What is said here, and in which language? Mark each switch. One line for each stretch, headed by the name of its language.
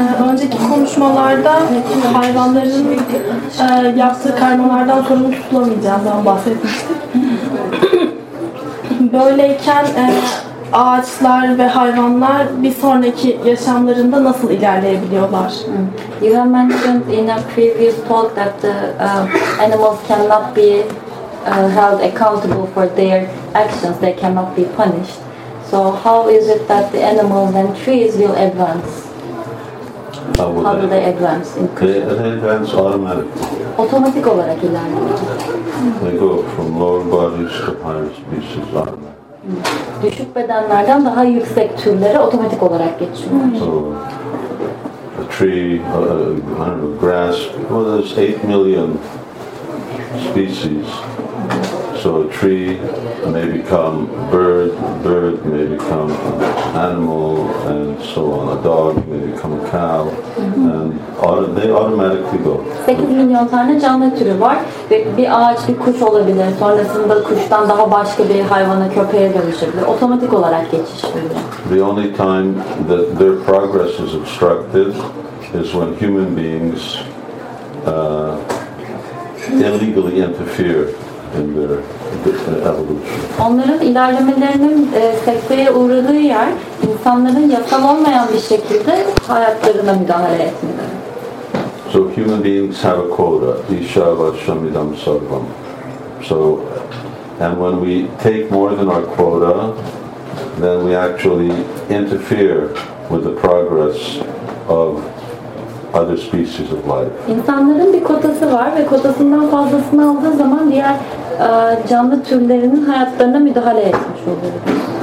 Turkish: Önceki konuşmalarda hayvanların yaptığı karmalardan sorumlu tutulamayacağından bahsetmiştik. Böyleyken ağaçlar ve hayvanlar bir sonraki yaşamlarında nasıl ilerleyebiliyorlar?
English: You have mentioned in a previous talk that the animals cannot be held accountable for their actions, they cannot be punished. So how is it that the animals and trees will advance? How do they advance in Krishna? They advance automatically.
Turkish: Otomatik olarak ilerliyor.
English: They go from lower bodies to higher species automatically.
Turkish: Düşük bedenlerden daha yüksek türlere otomatik olarak geçiyor.
English: So a tree, grass, well there's 8 million species. So a tree may become bird may become an animal, and so on. A dog may become a cow, and they automatically go.
Turkish: 8 milyon tane canlı türü var ve bir ağaç bir kuş olabilir. Sonrasında kuştan daha başka bir hayvana, köpeğe dönüşebilir. Otomatik olarak geçiş.
English: The only time that their progress is obstructed is when human beings illegally interfere in their evolution.
Turkish: Onların ilerlemelerinin sekteye uğradığı yer, insanların yasal olmayan bir şekilde hayatlarına müdahale etmeleri.
English: So human beings have a quota,
Sanskrit: isha vasham idam sarvam.
English: So, and when we take more than our quota, then we actually interfere with the progress of other species of life.
Turkish: İnsanların bir kotası var ve kotasından fazlasını aldığı zaman diğer canlı türlerinin hayatlarına müdahale etmiş oluyor.